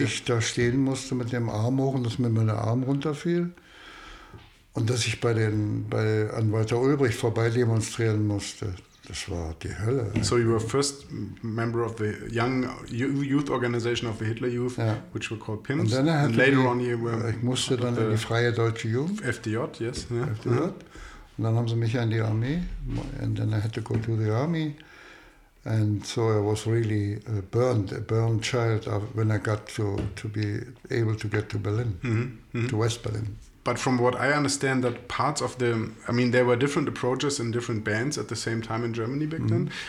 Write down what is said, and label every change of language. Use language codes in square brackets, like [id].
[de] Dass ich da stehen musste mit dem Arm hoch und dass mir mein Arm runterfiel. Und dass ich an Walter Ulbricht vorbei demonstrieren musste. Das war die Hölle. [en] So you were first member of the young youth organization of the Hitler Youth, which were called PIMS. [de] Ich musste dann in die Freie Deutsche Jugend. [en] FDJ, yes. FDJ. [de] Mm-hmm. Und dann haben sie mich in die Armee. [en] And then I had to go to the army. And so I was really a burned child when I got to be able to get to Berlin, to West Berlin. But from what I understand, that parts of the... I mean, there were different approaches in different bands at the same time in Germany back then.